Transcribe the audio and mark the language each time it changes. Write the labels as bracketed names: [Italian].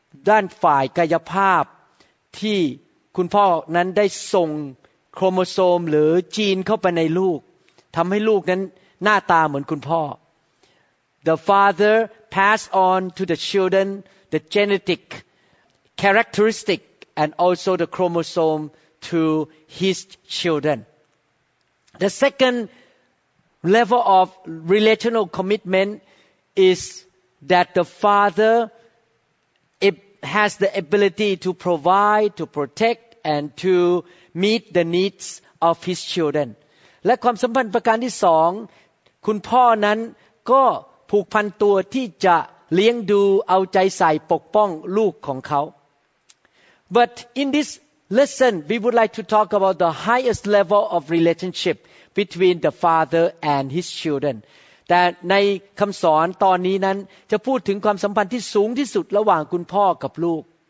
[Thai] ด้านฝ่ายกายภาพที่คุณพ่อนั้นได้ส่งโครโมโซมหรือจีนเข้าไปในลูกทำให้ลูกนั้นหน้าตาเหมือนคุณพ่อ [English] The father passed on to the children the genetic characteristic and also the chromosome to his children. The second level of relational commitment is that the father has the ability to provide, to protect, and to meet the needs of his children. [Thai] และความสัมพันธ์ประการที่สองคุณพ่อนั้นก็ผูกพันตัวที่จะเลี้ยงดูเอาใจใส่ปกป้องลูกของเขา [English] But in this lesson we would like to talk about the highest level of relationship between the father and his children [Thai] แต่ในคำสอนตอนนี้นั้นจะพูดถึงความสัมพันธ์ที่สูงที่สุดระหว่างคุณพ่อกับลูก